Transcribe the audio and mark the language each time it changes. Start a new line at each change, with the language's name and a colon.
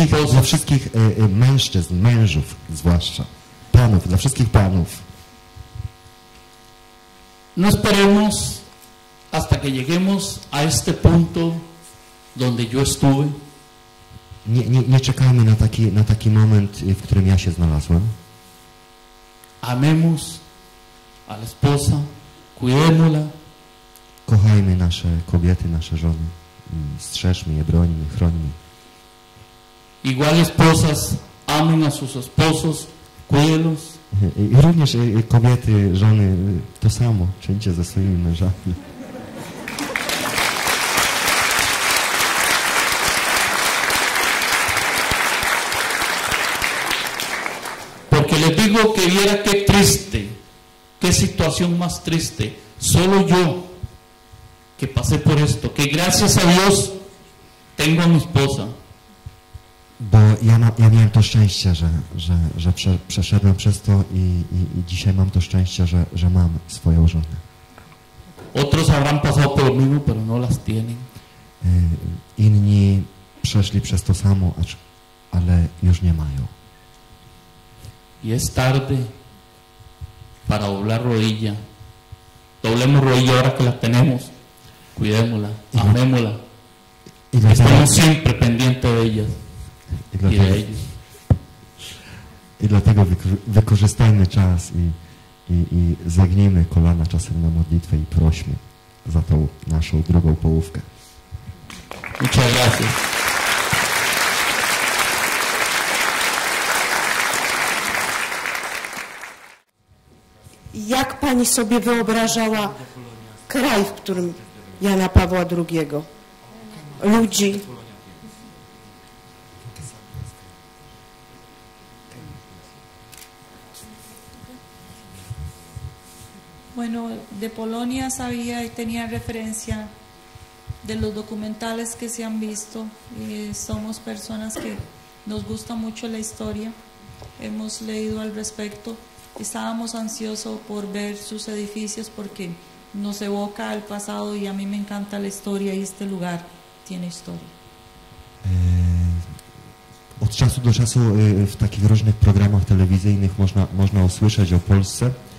Polish: Dla wszystkich mężczyzn, mężów zwłaszcza, panów, dla wszystkich panów.
Spanish: No esperemos hasta que lleguemos a este punto donde yo estuve.
Polish: Nie czekajmy na taki moment, w którym ja się znalazłem.
Spanish: Amemos a la esposa, cuidémosla.
Polish: Kochajmy nasze kobiety, nasze żony. Strzeżmy je, brońmy, chrońmy.
Spanish: Igual esposas amen a sus esposos, cuídelos.
Polish: I również kobiety, żony, to samo, czyńcie ze swoimi mężami.
Spanish: Porque les digo que viera qué triste, qué situación más triste, solo yo que pasé por esto, que gracias a Dios tengo a mi esposa.
Polish: Bo ja miałem to szczęście, że przeszedłem przez to i dzisiaj mam to szczęście, że mam swoją żonę.
Spanish: Otros habrán pasado por lo mismo, pero no las tienen.
Polish: Inni przeszli przez to samo, ale już nie mają.
Spanish: Y es tarde para doblar rodilla. Doblemos rodilla ahora que la tenemos. Cuidémosla, amémosla. Estamos siempre pendientes de ellas.
Polish: I dlatego wykorzystajmy czas i zegnijmy kolana czasem na modlitwę i prośmy za tą naszą drugą połówkę.
Spanish: Muchas gracias.
Polish: Jak pani sobie wyobrażała kraj, w którym Jana Pawła II, ludzi?
Spanish: Bueno, de Polonia sabía y tenía referencia de los documentales que se han visto. Y somos personas que nos gusta mucho la historia. Hemos leído al respecto. Estábamos ansiosos por ver sus edificios porque nos evoca el pasado y a mí me encanta la historia y este lugar tiene historia.
Polish: Od czasu do czasu w takich różnych programach telewizyjnych można usłyszeć o Polsce.